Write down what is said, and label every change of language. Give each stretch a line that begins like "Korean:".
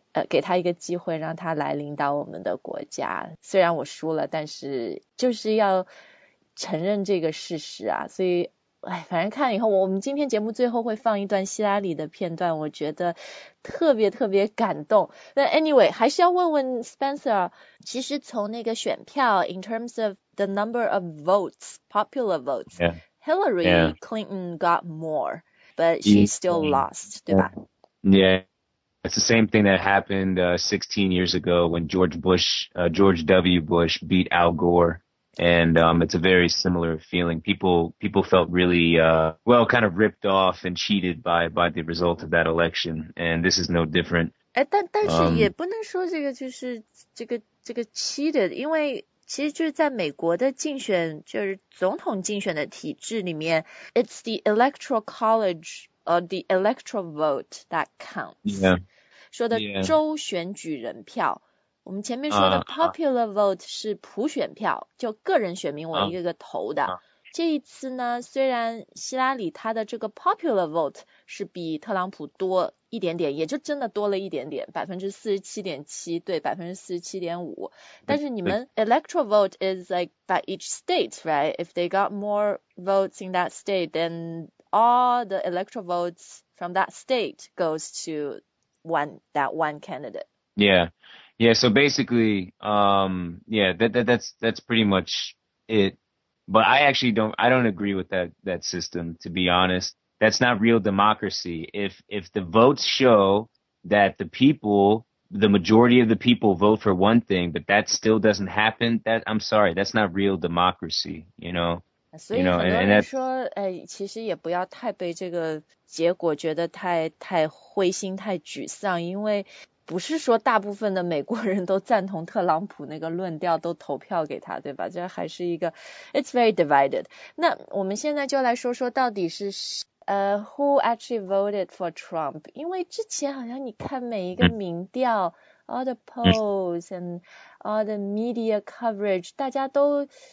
Chinese: 给他一个机会让他来领导我们的国家虽然我输了但是就是要承认这个事实啊所以哎，反正看以后我们今天节目最后会放一段希拉里的片段我觉得特别特别感动那 anyway 还是要问问 Spencer 其实从那个选票
English: in terms of the number of votes popular votes、 yeah. Hillary、 yeah. Clinton got more but she still lost、 yeah.
Chinese: 对吧
English: yeahIt's the same thing that happened 16 years ago when George W. Bush beat Al Gore. And it's a very similar feeling. People felt really, kind of ripped off and cheated by the result of that election. And this is no different.
Chinese: 但是也不能说这个就是这个 cheated, 因为其实就是在美国的竞选就是总统竞选的体制里面
English: it's the electoral college,or the electoral vote that counts. Yeah.
Chinese: 说的州选举人票。
English: Yeah.
Chinese: 我们前面说的 popular vote 是普选票就个人选民我一个个投的。这一次呢虽然希拉里他的这个 popular vote 是比特朗普多一点点也就真的多了一点点 ,47.7% 对 ,47.5%. 但是你们
English: electoral vote is like by each state, right? If they got more votes in that state, then... All the electoral votes from that state goes to that one candidate. Yeah. Yeah. So basically, that's pretty much it. But I actually don't agree with that system, to be honest. That's not real democracy. If the votes show that the majority of the people vote for one thing, but that still doesn't happen, that I'm sorry, that's not real democracy, you know?
Chinese: 所以很多人说其实也不要太被这个结果觉得太灰心太沮丧因为不是说大部分的美国人都赞同特朗普那个论调都投票给他对吧这还是一个
English: it's very divided
Chinese: 那我们现在就来说说到底是
English: who actually voted for Trump
Chinese: 因为之前好像你看每一个民调
English: all the polls and all the media coverage
Chinese: 大家都